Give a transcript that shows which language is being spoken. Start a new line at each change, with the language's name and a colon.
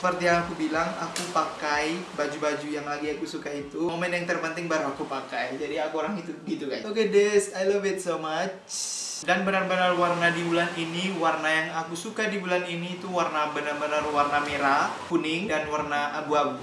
Indonesian: Seperti yang aku bilang, aku pakai baju-baju yang lagi aku suka itu, momen yang terpenting baru aku pakai. Jadi aku orang itu gitu guys.
English: Look at this, I love it so much.
Indonesian: Dan benar-benar warna di bulan ini, warna yang aku suka di bulan ini itu warna benar-benar warna merah, kuning, dan warna abu-abu.